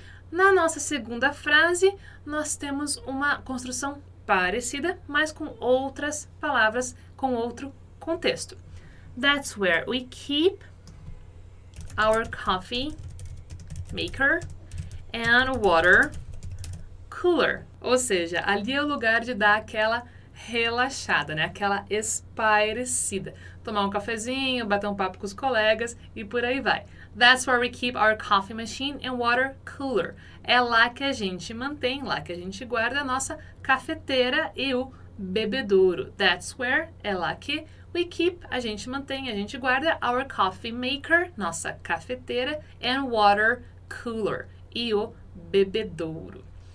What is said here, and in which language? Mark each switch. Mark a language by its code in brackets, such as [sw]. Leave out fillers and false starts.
[pt] Na nossa segunda frase, nós temos uma construção parecida, mas com outras palavras, com outro contexto. [en] That's where we keep our coffee maker and water cooler. [pt] Ou seja, ali é o lugar de dar aquela relaxada, né? Aquela espairecida. Tomar um cafezinho, bater um papo com os colegas e por aí vai. [en] That's where we keep our coffee machine and water cooler. [pt] É lá que a gente mantém, lá que a gente guarda a nossa cafeteira e o bebedouro. [en] That's where, [pt] é lá que [en] we keep, [pt] a gente mantém, a gente guarda [en] our coffee maker, [pt] nossa cafeteira, [en] and water cooler, [pt] e o bebedouro.